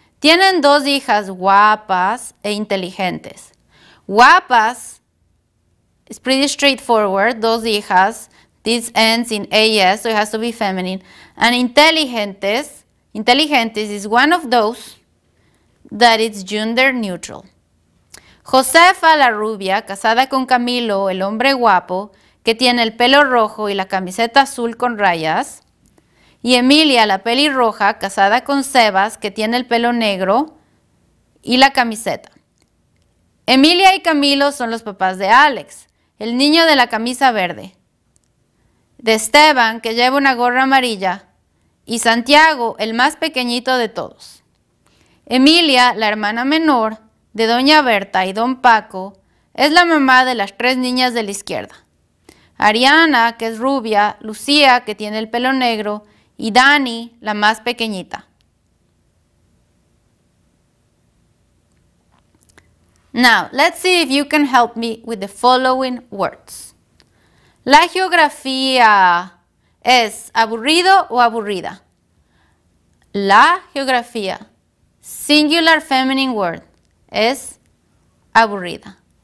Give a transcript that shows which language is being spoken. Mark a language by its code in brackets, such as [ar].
[es] Tienen dos hijas guapas e inteligentes. [en] Guapas is pretty straightforward. [es] Dos hijas. [en] This ends in AS, so it has to be feminine. And inteligentes. Inteligentes is one of those that it's gender neutral. [es] Josefa, la rubia, casada con Camilo, el hombre guapo, que tiene el pelo rojo y la camiseta azul con rayas. Y Emilia, la pelirroja, casada con Sebas, que tiene el pelo negro y la camiseta. Emilia y Camilo son los papás de Alex, el niño de la camisa verde. De Esteban, que lleva una gorra amarilla. Y Santiago, el más pequeñito de todos. Emilia, la hermana menor de Doña Berta y Don Paco, es la mamá de las tres niñas de la izquierda. Ariana, que es rubia, Lucía, que tiene el pelo negro, y Dani, la más pequeñita. [en] Now, let's see if you can help me with the following words. [es] La geografía es aburrido o aburrida. La geografía, [en] singular feminine word, [es] es aburrida.